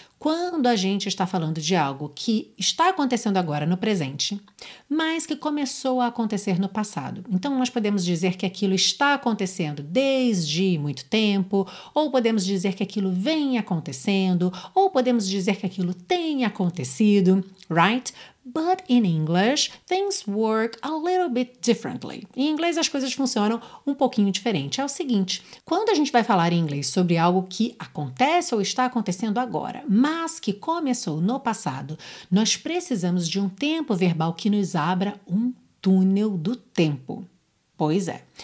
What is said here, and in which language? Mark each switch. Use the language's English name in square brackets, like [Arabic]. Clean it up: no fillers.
[Portuguese] Quando a gente está falando de algo que está acontecendo agora no presente, mas que começou a acontecer no passado. Então, nós podemos dizer que aquilo está acontecendo desde muito tempo, ou podemos dizer que aquilo vem acontecendo, ou podemos dizer que aquilo tem acontecido, right? [English] But in English, things work a little bit differently. [Portuguese] Em inglês, as coisas funcionam um pouquinho diferente. É o seguinte, quando a gente vai falar em inglês sobre algo que acontece ou está acontecendo agora, mas que começou no passado, nós precisamos de um tempo verbal que nos abra um túnel do tempo. Pois é.